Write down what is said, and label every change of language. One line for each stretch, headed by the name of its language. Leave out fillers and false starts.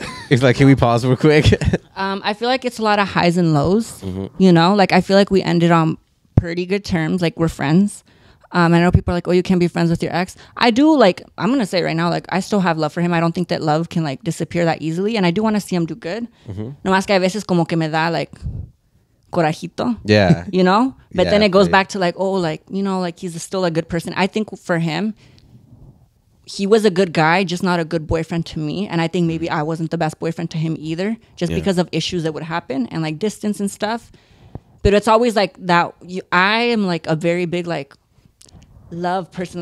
English: It's like, can we pause real quick? I feel like it's a lot of highs and lows. Mm-hmm. You know, like, I feel like we ended on pretty good terms. Like, we're friends. I know people are like, oh, you can't be friends with your ex. I do, like, I'm going to say right now, like, I still have love for him. I don't think that love can, like, disappear that easily. And I do want to see him do good.
Spanish: Mm-hmm. No más que a veces como que me da, like, corajito.
English: Yeah. You know? But yeah, then it goes back to, like, oh, like, you know, like, he's still a good person. I think for him, he was a good guy, just not a good boyfriend to me. And I think maybe I wasn't the best boyfriend to him either, just because of issues that would happen and, like, distance and stuff. But it's always like that. I am, like, a very big, like, love person.